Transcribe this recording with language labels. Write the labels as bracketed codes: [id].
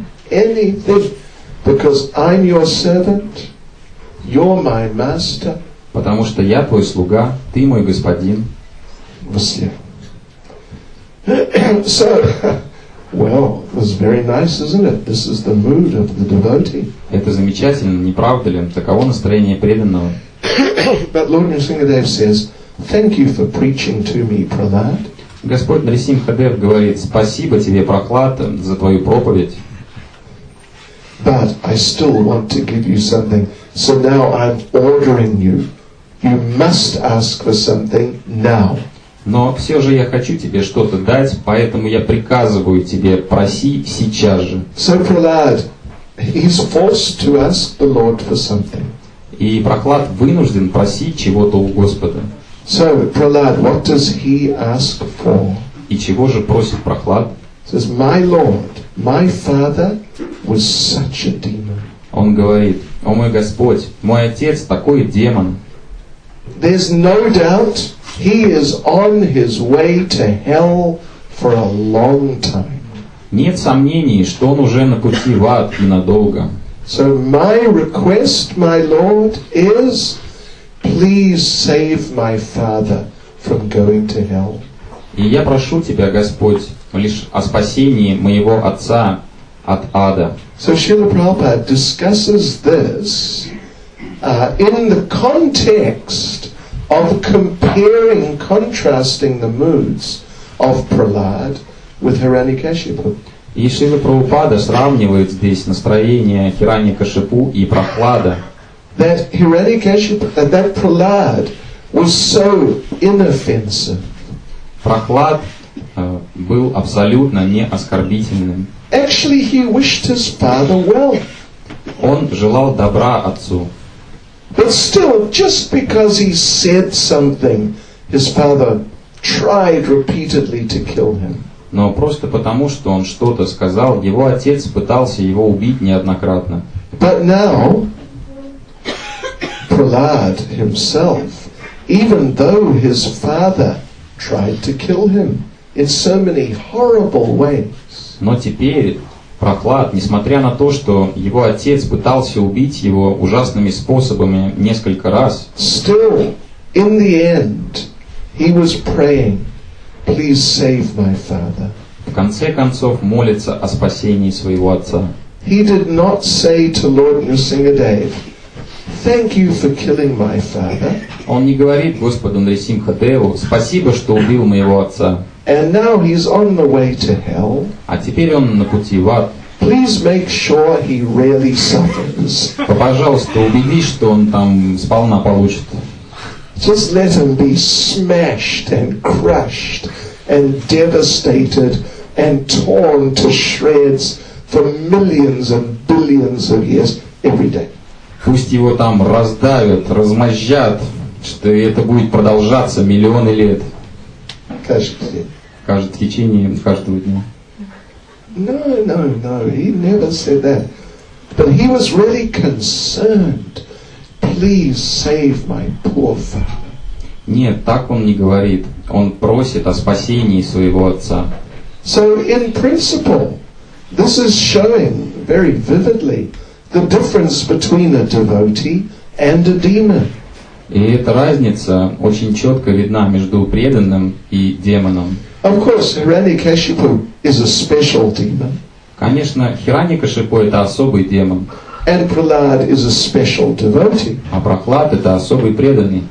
[en] Anything, because I'm your servant, you're my master. [ru] Потому что я твой слуга, ты мой господин. [en] So, well, it's very nice, isn't it? This is the mood of the devotee. [ru] Это замечательно, не правда ли? Таково настроение преданного. [en] But Lord Nrisimhadev says, "Thank you for preaching to me, Prahlad." [ru] Господь Нарисимхадев говорит: "Спасибо тебе, Прохлад, за твою проповедь." [en] But I still want to give you something, so now I'm ordering you. You must ask for something now. [ru] Но все же я хочу тебе что-то дать, поэтому я приказываю тебе: проси сейчас же. [en] So Prahlad, he's forced to ask the Lord for something. [ru] И Прохлад вынужден просить чего-то у Господа. [en] So Prahlad, what does he ask for? [ru] И чего же просит Прохлад? [en] Says, my Lord, my father was such a demon. [ru] Он говорит: о мой Господь, мой отец такой демон. [en] There's no doubt he is on his way to hell for a long time. [ru] Нет сомнений, что он уже на пути в ад ненадолго. [en] So my request, my Lord, is please save my father from going to hell. [ru] И я прошу тебя, Господь, лишь о спасении моего отца от ада. [en] So Srila Prabhupada discusses this in the context of comparing, contrasting the moods of Prahlad with Hiranyakashipu. [ru] И Шрила Прабхупада сравнивает здесь настроение Хираньякашипу и Прохлада. [en] That Hiranyakashipu, that Prahlad was so inoffensive. [ru] Прохлад был абсолютно не оскорбительным. [en] Actually, he wished his father well. [ru] Он желал добра отцу. [en] But still, just because he said something, his father tried repeatedly to kill him. [ru] Но просто потому, что он что-то сказал, его отец пытался его убить неоднократно. [en] But now, Prahlad himself, even though his father tried to kill him in so many horrible ways. [ru] Но теперь Прохлад, несмотря на то, что его отец пытался убить его ужасными способами несколько раз, [en] still, in the end, he was praying, please save my father. [ru] В конце концов, молится о спасении своего отца. [en] He did not say to Lord Nrisimhadev, thank you for killing my father. [ru] Он не говорит Господу Нарисимхадеву: спасибо, что убил моего отца. [en] And now he's on the way to hell. [ru] А теперь он на пути в ад. [en] Please make sure he really suffers. [ru] Пожалуйста, убедись, что он там сполна получит. [en] Just let him be smashed and crushed and devastated and torn to shreds for millions and billions of years every day. [ru] Пусть его там раздавят, размозжат что это будет продолжаться миллионы лет. Каждый день. В течение каждого дня. [en] No, he never said that. But he was really concerned. Please save my poor father. [ru] Нет, так он не говорит. Он просит о спасении своего отца. [en] So in principle, this is showing very vividly the difference between a devotee and a demon. [ru] И эта разница очень четко видна между преданным и демоном. [en] Of course, Hiranyakashipu is a special demon. [ru] Конечно, Хираньякашипу это особый демон. [en] And Prahlad is a special devotee. [ru] А Прохлад это особый преданный.